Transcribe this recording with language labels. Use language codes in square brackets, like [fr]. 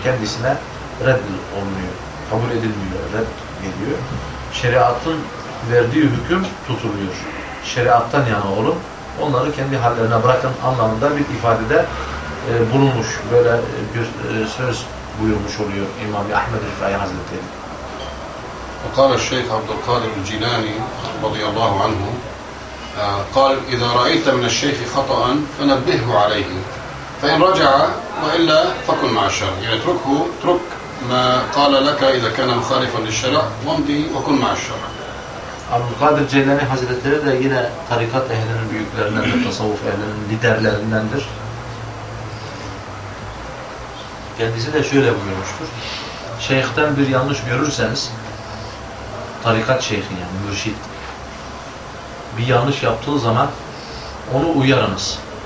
[tr] Kendisine reddolunuyor. Kabul edilmiyor. Redd geliyor. Şeriatın verdiği hüküm tutuluyor. Şeriattan yana olun. Onları kendi hallerine bırakın anlamında bir ifadede bulunmuş. Böyle bir söz buyurmuş oluyor İmam-ı Ahmed el-Fai Hazretleri. [ar] وقال الشيخ عبد القادر الجيلاني رضي الله عنه قال إذا رأيت من الشيخ خطأ فنبهه عليه فإن رجع وإلا فكن مع الشرع يعني اتركه اترك ما قال لك إذا كان مخالفا للشرع وامضي وكن مع الشرع. [tr] Abdülkadir Ceylani Hazretleri de yine tarikat ehlinin büyüklerindendir, tasavvuf ehlinin liderlerindendir. Kendisi de şöyle buyurmuştur. Şeyh'ten bir yanlış görürseniz, tarikat şeyhi yani mürşid, bir yanlış yaptığı zaman onu uyarınız.